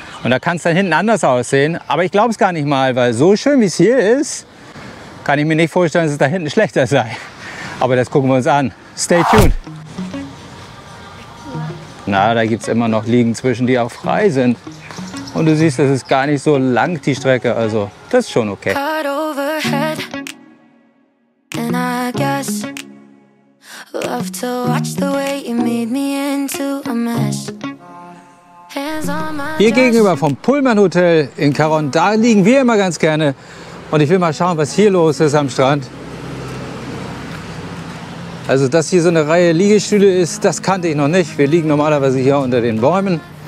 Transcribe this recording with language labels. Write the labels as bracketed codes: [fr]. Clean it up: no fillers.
[de] Und da kann es dann hinten anders aussehen. Aber ich glaube es gar nicht mal, weil so schön wie es hier ist, kann ich mir nicht vorstellen, dass es da hinten schlechter sei. Aber das gucken wir uns an. [en] Stay tuned. [de] Na, da gibt es immer noch Liegen zwischen, die auch frei sind. Und du siehst, das ist gar nicht so lang, die Strecke. Also, das ist schon okay. Cut overhead. [en] And I guess love to watch the way you made me into a mess. [de] Hier gegenüber vom Pullman Hotel in Caron, da liegen wir immer ganz gerne. Und ich will mal schauen, was hier los ist am Strand. Also, dass hier so eine Reihe Liegestühle ist, das kannte ich noch nicht. Wir liegen normalerweise hier unter den Bäumen.